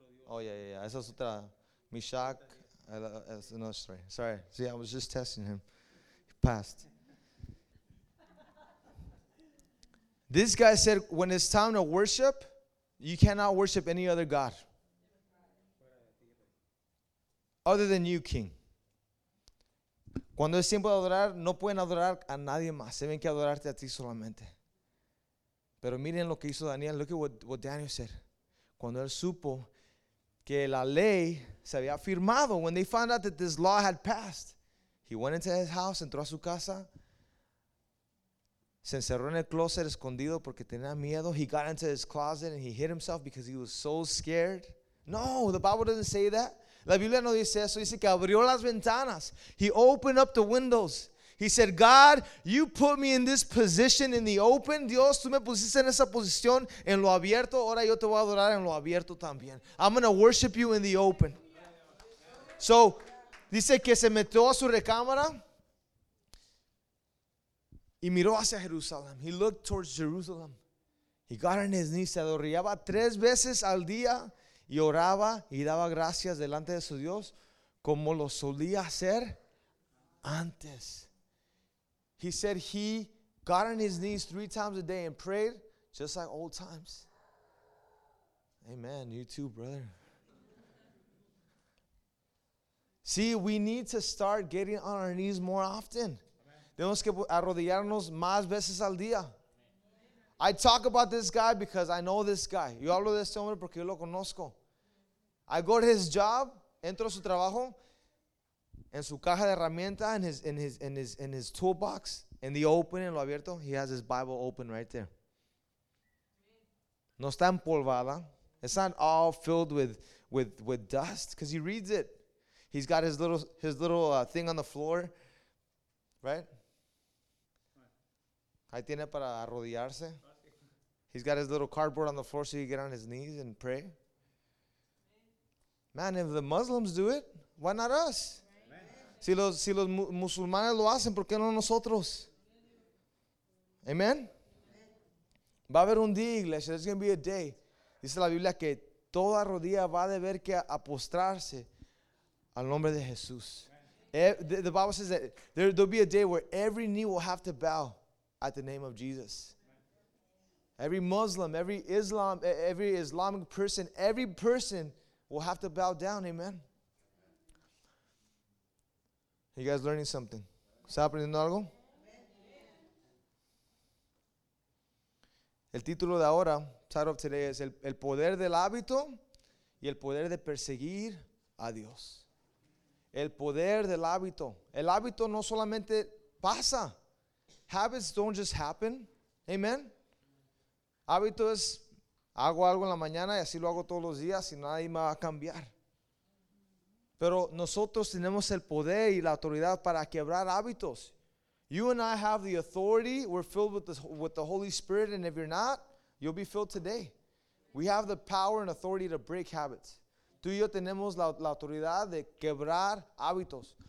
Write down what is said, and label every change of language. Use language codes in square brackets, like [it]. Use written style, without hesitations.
[en] Oh, yeah, yeah, yeah. [es] Esa es otra. [en] Mishak. That's another story. Sorry. See, I was just testing him. He passed. This guy said, when it's time to worship, you cannot worship any other God other than you, King. [es] Cuando es tiempo de adorar, no pueden adorar a nadie más. Se ven que adorarte a ti solamente. Pero miren lo que hizo Daniel. [en] Look at what Daniel said. [es] Cuando él supo que la ley se había firmado, [en] when they found out that this law had passed, he went into his house, [es] entró a su casa, se encerró en el closet escondido porque tenía miedo. [en] He got into his closet and he hid himself because he was so scared. No, the Bible doesn't say that. [es] La Biblia no dice eso. Dice que abrió las ventanas. [en] He opened up the windows. He said, God, you put me in this position in the open. [es] Dios, tú me pusiste en esa posición en lo abierto. Ahora yo te voy a adorar en lo abierto también. [en] I'm going to worship you in the open. [es] So, dice que se metió a su recámara. Y miró hacia Jerusalén. [en] He looked towards Jerusalem. He got on his knees. [es] Se arrodillaba tres veces al día. Y oraba y daba gracias delante de su Dios. Como lo solía hacer antes. [en] He said he got on his knees three times a day and prayed just like old times. Amen. You too, brother. See, we need to start getting on our knees more often. [es] Tenemos que arrodillarnos más veces al día. [en] I talk about this guy because I know this guy. [es] Yo hablo de este hombre porque yo lo conozco. [en] I go to his job, [es] entro a su trabajo, en su caja de herramientas, [en] in his toolbox, in the open, [es] en lo abierto, [en] he has his Bible open right there. [es] No está empolvada. [en] It's not all filled with dust because he reads it. He's got his little thing on the floor, right? [es] Ahí tiene para arrodillarse. [en] He's got his little cardboard on the floor so he can get on his knees and pray. Man, if the Muslims do it, why not us? Amen. [es] Si los musulmanes lo hacen, ¿por qué no nosotros? Amén. Va a haber un día, iglesia. [en] There's going to be a day. [es] Dice la Biblia que toda rodilla va a deber que apostrarse al nombre de Jesús. [en] The Bible says that there'll be a day where every knee will have to bow at the name of Jesus. Every Muslim, every Islam, every Islamic person, every person will have to bow down. Amen. Are you guys learning something? [es] ¿Está aprendiendo algo? El título de ahora, [en] title of today, [es] es el poder del hábito y el poder de perseguir a Dios. El poder del hábito. El hábito no solamente pasa. [en] Habits don't just happen. Amen. [es] Hábito es, hago algo en la mañana y así lo hago todos los días y nadie me va a cambiar. Pero nosotros tenemos el poder y la autoridad para quebrar hábitos. [en] You and I have the authority. We're filled with the Holy Spirit, and if you're not, you'll be filled today. We have the power and authority to break habits. [es] Tú y yo tenemos la autoridad de quebrar hábitos.